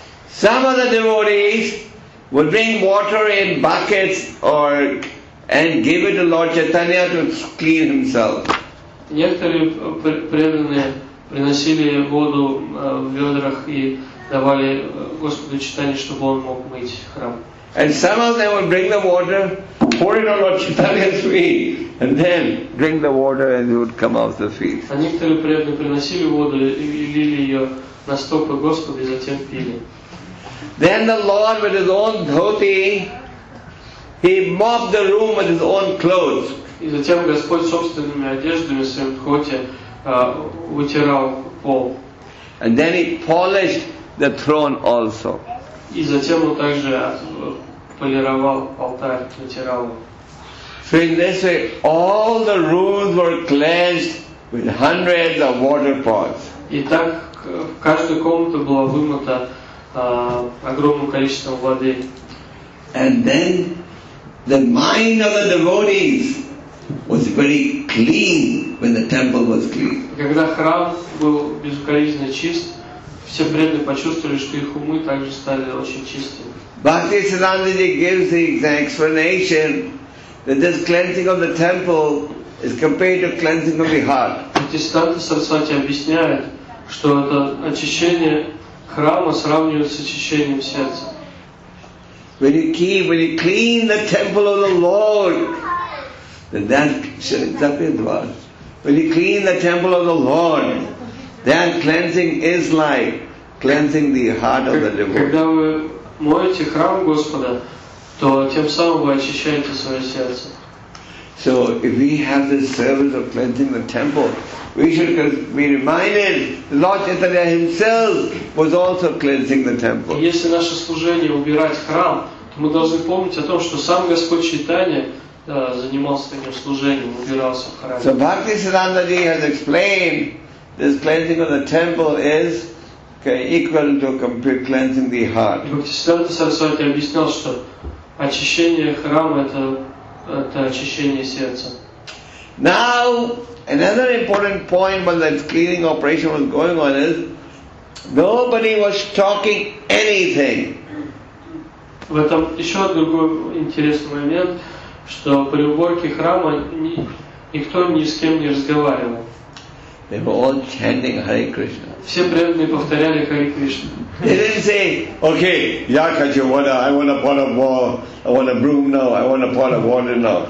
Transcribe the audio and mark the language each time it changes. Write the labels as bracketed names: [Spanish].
[English] Some of the devotees would bring water in buckets or and give it to Lord Chaitanya to clean himself. [Russian] Некоторые преданные приносили воду в ведрах и давали Господу Чайтанье, чтобы он мог мыть храм. [English] And some of them would bring the water, pour it on Lord Chaitanya's feet, and then drink the water and it would come off the feet. [Russian] А некоторые преданные приносили воду и лили ее на стопы Господа и затем пили. [English] Then the Lord with his own dhoti, he mopped the room with his own clothes. [Russian] И затем Господь собственными одеждами своим дхоти вытирал пол. [English] And then he polished the throne also. [Russian] И затем он также полировал алтарь, вытирал. [English] So in this way, all the rooms were cleansed with hundreds of water pots. [Russian] И так каждая комната была вымыта огромным количеством воды. [English] And then the mind of the devotees was very clean when the temple was clean. [Russian] Когда храм был безукоризненно чист, все преданные почувствовали, что их умы также стали очень чистыми. [English] Bhakti Siddhanta Ji gives the explanation that this cleansing of the temple is compared to cleansing of the heart. [Russian] Bhakti Siddhanta Sarasvati объясняет, что это очищение храма сравнивают с очищением сердца. [English] When you clean the temple of the Lord, then that exactly what? When you clean the temple of the Lord, that cleansing is like cleansing the heart of the devotee. [Russian] Когда вы моете храм Господа, то тем самым вы очищаете свое сердце. [English] So if we have this service of cleansing the temple, we should be reminded that Lord Chaitanya himself was also cleansing the temple. [Russian] Если наше служение убирать храм, то мы должны помнить о том, что сам Господь Чайтанья занимался таким служением, убирался в храме. [English] So Bhakti Siddhanta Ji has explained this cleansing of the temple is equivalent to complete cleansing the heart. [Russian] Bhakti Siddhanta Sarasvati объяснял, что очищение храма это очищение сердца. [English] Now, another important point when that cleaning operation was going on is nobody was talking anything. [Russian] В этом еще другой интересный момент, что при уборке храма никто ни с кем не разговаривал. [English] They were all chanting Hare Krishna. [Russian] Все преданные повторяли Hare Krishna. [English] They didn't say, okay, [Russian] я хочу воду, [English] I want a pot of water, I want a broom now, I want a pot of water now.